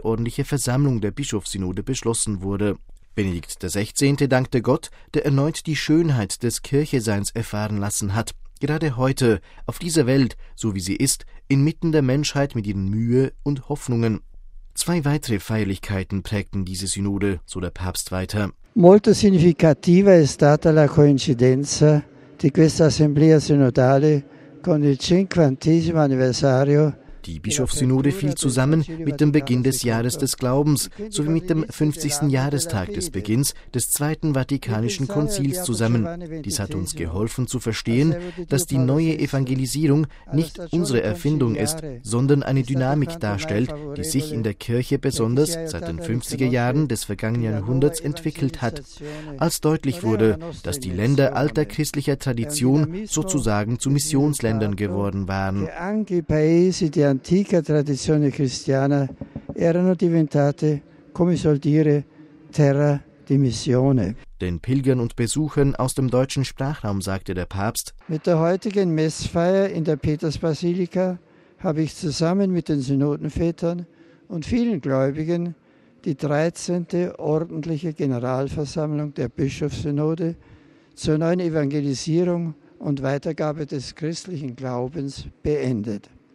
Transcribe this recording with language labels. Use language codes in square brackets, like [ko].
[de] ordentliche Versammlung der Bischofssynode beschlossen wurde. Benedikt XVI. Dankte Gott, der erneut die Schönheit des Kircheseins erfahren lassen hat, gerade heute, auf dieser Welt, so wie sie ist, inmitten der Menschheit mit ihren Mühe und Hoffnungen. Zwei weitere Feierlichkeiten prägten diese Synode, so der Papst weiter. [it] Molto significativa è stata la coincidenza di questa assemblea sinodale con il 50° anniversario. [de] Die Bischofssynode fiel zusammen mit dem Beginn des Jahres des Glaubens sowie mit dem 50. Jahrestag des Beginns des Zweiten Vatikanischen Konzils zusammen. Dies hat uns geholfen zu verstehen, dass die neue Evangelisierung nicht unsere Erfindung ist, sondern eine Dynamik darstellt, die sich in der Kirche besonders seit den 50er Jahren des vergangenen Jahrhunderts entwickelt hat, als deutlich wurde, dass die Länder alter christlicher Tradition sozusagen zu Missionsländern geworden waren. [it] Antica tradizione cristiana erano diventate, come soll dire, terra di missione. [de] Den Pilgern und Besuchern aus dem deutschen Sprachraum sagte der Papst: Mit der heutigen Messfeier in der Petersbasilika habe ich zusammen mit den Synodenvätern und vielen Gläubigen die 13. ordentliche Generalversammlung der Bischofssynode zur neuen Evangelisierung und Weitergabe des christlichen Glaubens beendet.